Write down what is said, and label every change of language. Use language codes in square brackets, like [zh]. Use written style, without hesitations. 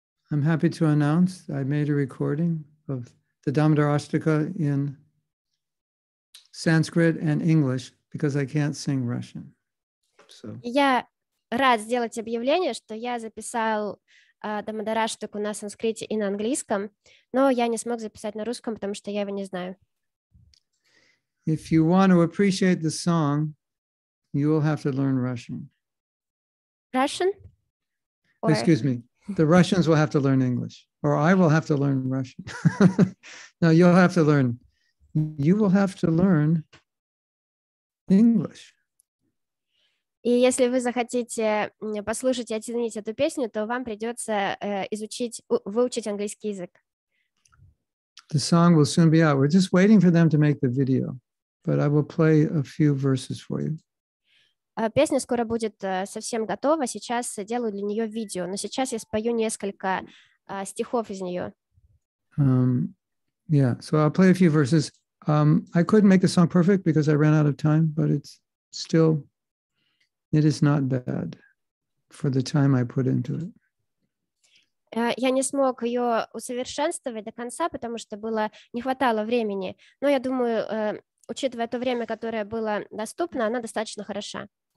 [en] I'm happy to announce I made a recording of the Damodar Ashtaka in Sanskrit and English, because I can't sing Russian. So. [ru] Я рад сделать объявление, что я записал Damodar Ashtaka на санскрите и на английском, но я не смог записать на русском, потому что я его не знаю. [en] If you want to appreciate the song, you will have to learn Russian. Russian? Or... Excuse me. The Russians will have to learn English, or I will have to learn Russian. No, you'll have to learn. You will have to learn English. [ru] И если вы захотите послушать и оценить эту песню, то вам придется выучить английский язык. [en] The song will soon be out. We're just waiting for them to make the video, but I will play a few verses for you. [ru] Песня скоро будет совсем готова. Сейчас делаю для нее видео, но сейчас я спою несколько стихов из нее. [en] So I'll play a few verses. I couldn't make the song perfect because I ran out of time, but it's still, it is not bad for the time I put into it. [ru] Я не смог ее усовершенствовать до конца, потому что было не хватало времени. Но я думаю, учитывая то время, которое было доступно, она достаточно хороша.